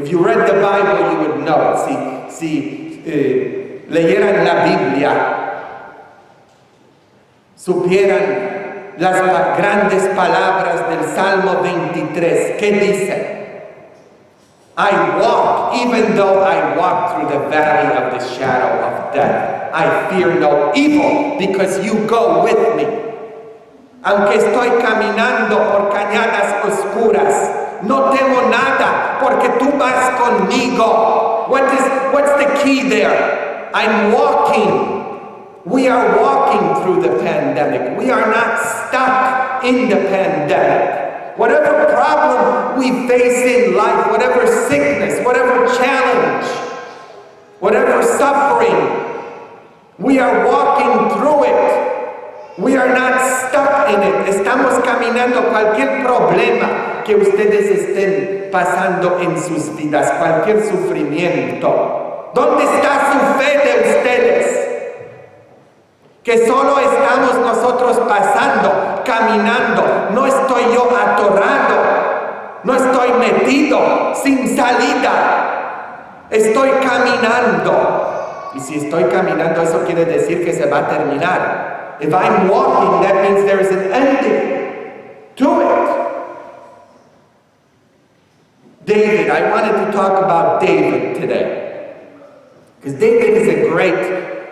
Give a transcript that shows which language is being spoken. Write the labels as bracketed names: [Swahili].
[English] If you read the Bible, you would know. [Spanish] Si leyeran la Biblia, supieran las grandes palabras del Salmo 23, ¿qué dice? [English] I walk, even though I walk through the valley of the shadow of death, I fear no evil, because you go with me. [Spanish] Aunque estoy caminando por cañadas oscuras, no temo nada, porque tú vas conmigo. [English] What's the key there? I'm walking. We are walking through the pandemic. We are not stuck in the pandemic. Whatever problem we face in life, whatever sickness, whatever challenge, whatever suffering, we are walking through it. We are not stuck in it. [Spanish] Estamos caminando. Cualquier problema que ustedes estén pasando en sus vidas, cualquier sufrimiento, ¿dónde está su fe de ustedes? Que solo estamos nosotros pasando, caminando. No estoy yo atorado, no estoy metido, sin salida. Estoy caminando. Y si estoy caminando, eso quiere decir que se va a terminar. [English] If I'm walking, that means there is an ending to it. David, I wanted to talk about David today. Because David is a great...